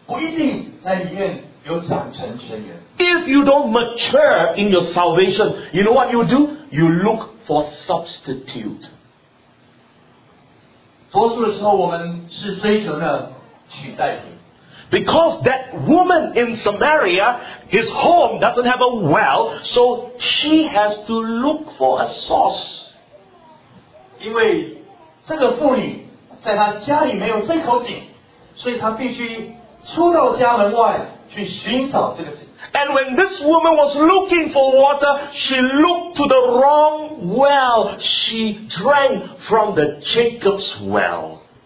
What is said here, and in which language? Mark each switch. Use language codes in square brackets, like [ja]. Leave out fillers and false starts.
[zh] 多数的人可以祷告，可以读圣经，可以参加崇拜，可是他们不一定在里面有长成全人。 [en] If you don't mature in your salvation, you know what you do? You look for substitute. [zh] 多数的时候我们是追求的取代品。 [en] Because that woman in Samaria, his home doesn't have a well, so she has to look for a source. [zh] 因为这个妇女在她家里没有这口井，所以她必须出到家门外去寻找这个井。 [en] And when this woman was looking for water, she looked to the wrong well. She drank from the Jacob's well.